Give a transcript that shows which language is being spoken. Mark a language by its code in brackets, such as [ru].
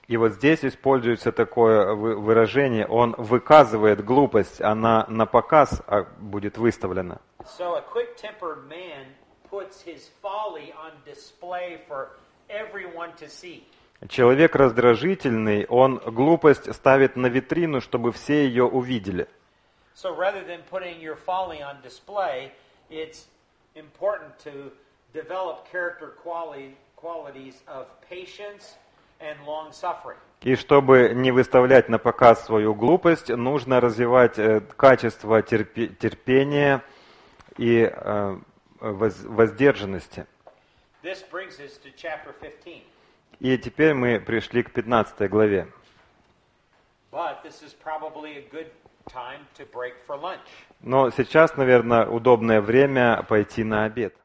[ru] И вот здесь используется такое выражение: он выказывает глупость, она на показ будет выставлена. [en] So a quick-tempered man puts his folly on display for everyone to see. [ru] Человек раздражительный, он глупость ставит на витрину, чтобы все ее увидели. [en] So rather than putting your folly on display, it's important to develop character qualities of patience and long suffering. [ru] И чтобы не выставлять на показ свою глупость, нужно развивать качество терпения и воздержанности. [en] This brings us to chapter 15. [ru] И теперь мы пришли к 15 главе. [en] But this is probably a good time to break for lunch. [ru] Но сейчас, наверное, удобное время пойти на обед.